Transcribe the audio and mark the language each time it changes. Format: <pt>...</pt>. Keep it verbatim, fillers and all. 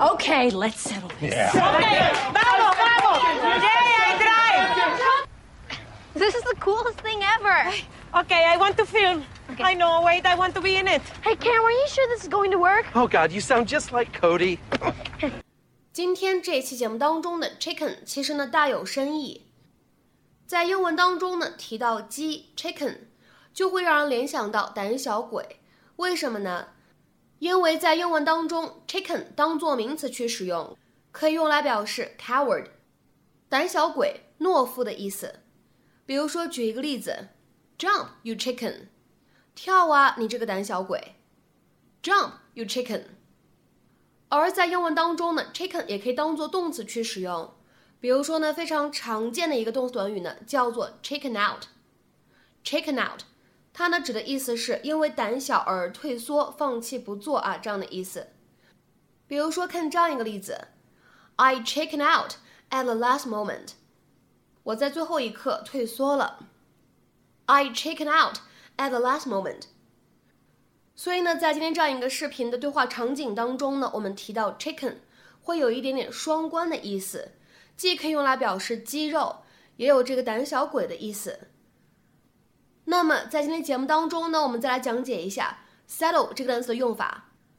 <en>Okay, let's settle this. Yeah. Okay,</en> <es>vamos, vamos.</es> <en>This is the coolest thing ever. Okay, I want to film. Okay. I know, wait, I want to be in it. Hey, Cam, are you sure this is going to work? Oh, God, you sound just like Cody.</en> <zh>今天这期节目当中的 chicken 其实呢大有深意。在英文当中呢提到鸡 chicken 就会让人联想到胆小鬼。为什么呢？因为在英文当中 chicken 当作名词去使用，可以用来表示 coward 胆小鬼懦夫的意思。比如说举一个例子</zh> <en>Jump, you chicken.</en> <zh>跳啊，你这个胆小鬼 Jump, you chicken。而在英文当中呢 chicken 也可以当作动词去使用，比如说呢非常常见的一个动词短语呢叫做 chicken out chicken out 它呢指的意思是因为胆小而退缩、放弃不做啊这样的意思。比如说看这样一个例子</zh> <en>I chicken out at the last moment.</en> <zh>我在最后一刻退缩了。 I chicken out at the last moment. 所以呢在今天这样一个视频的对话场景当中呢，我们提到 chicken 会有一点点双关的意思，既可以用来表示肌肉，也有这个胆小鬼的意思。那么在今天节目当中呢，我们再来讲解一下 settle 这个单词的用法。</zh>